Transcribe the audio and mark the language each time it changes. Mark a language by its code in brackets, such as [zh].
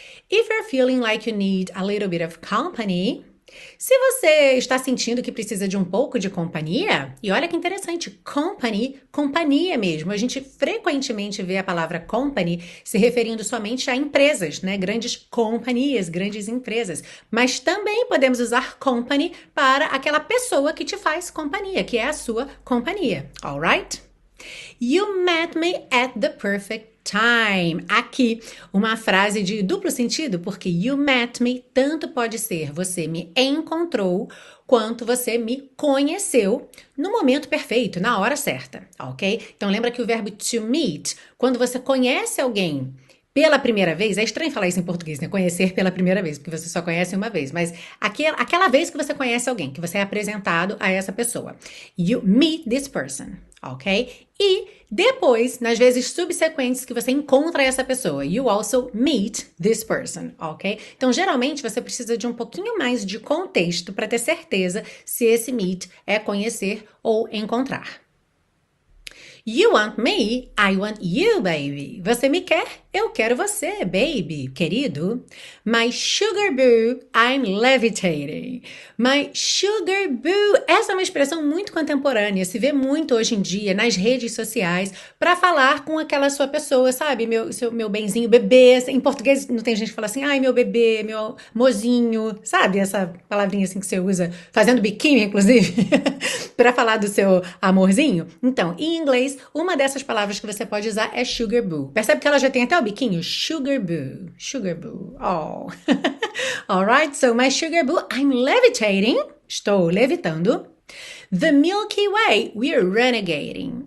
[en] If you're feeling like you need a little bit of company, [pt] se você está sentindo que precisa de um pouco de companhia, e olha que interessante, company, companhia mesmo. A gente frequentemente vê a palavra company se referindo somente a empresas, né? Grandes companhias, grandes empresas. Mas também podemos usar company para aquela pessoa que te faz companhia, que é a sua companhia. All right? [en] You met me at the perfect time. [pt] Aqui, uma frase de duplo sentido, porque [en] you met me [pt] tanto pode ser você me encontrou, quanto você me conheceu no momento perfeito, na hora certa, ok? Então lembra que o verbo to meet, quando você conhece alguém pela primeira vez, é estranho falar isso em português, né? Conhecer pela primeira vez, porque você só conhece uma vez. Mas aquela vez que você conhece alguém, que você é apresentado a essa pessoa. [en] You meet this person, [pt] ok? E depois, nas vezes subsequentes que você encontra essa pessoa, [en] you also meet this person, [pt] ok? Então, geralmente, você precisa de um pouquinho mais de contexto para ter certeza se esse meet é conhecer ou encontrar. [en] You want me, I want you, baby. [pt] Você me quer, eu quero você, baby, querido. [en] My sugar boo, I'm levitating. My sugar boo. [pt] Essa é uma expressão muito contemporânea, se vê muito hoje em dia nas redes sociais para falar com aquela sua pessoa, sabe? Meu benzinho, bebê. Em português não tem gente que fala assim, ai, meu bebê, meu mozinho, sabe? Essa palavrinha assim que você usa, fazendo biquíni, inclusive, para falar do seu amorzinho. Então, em inglês, uma dessas palavras que você pode usar é sugar boo. Percebe que ela já tem até o biquinho? [en] Sugar boo. Sugar boo. Oh. All right, so my sugar boo, I'm levitating. [pt] Estou levitando. [en] The Milky Way, we are renegating.